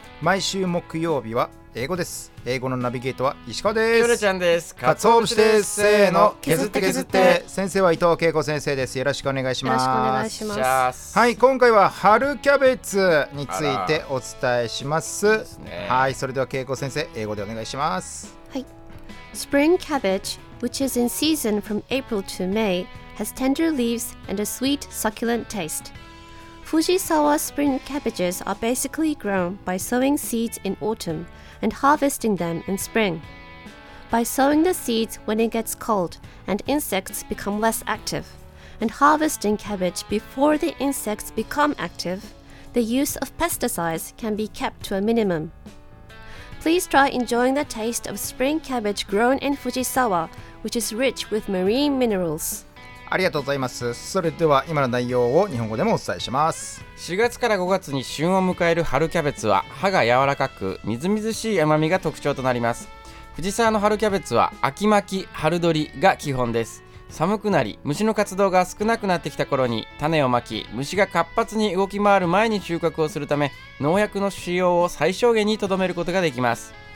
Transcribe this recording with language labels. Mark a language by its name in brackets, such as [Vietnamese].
[Japanese] 毎週木曜日は英語です。英語のナビゲートは石川です。ヨルちゃんです。カツオブシです。せーの、削って削って。先生は伊藤恵子先生です。よろしくお願いします。よろしくお願いします。はい、今回は春キャベツについてお伝えしま す、ね、はい、それでは恵子先生、英語でお願いします。はい。 [English] Spring cabbage, which is in season from April to May, has tender leaves and a sweet, succulent taste. Fujisawa spring cabbages are basically grown by sowing seeds in autumn and harvesting them in spring. By sowing the seeds when it gets cold and insects become less active, and harvesting cabbage before the insects become active, the use of pesticides can be kept to a minimum. Please try enjoying the taste of spring cabbage grown in Fujisawa, which is rich with marine minerals. [Japanese] ありがとうございます。それでは今の内容を日本語でもお伝えします。 4月から5月に旬を迎える春キャベツは葉が柔らかくみずみずしい甘みが特徴となります。藤沢の春キャベツは秋巻き春取りが基本です。寒くなり虫の活動が少なくなってきた頃に種をまき、虫が活発に動き回る前に収穫をするため、農薬の使用を最小限にとどめることができます。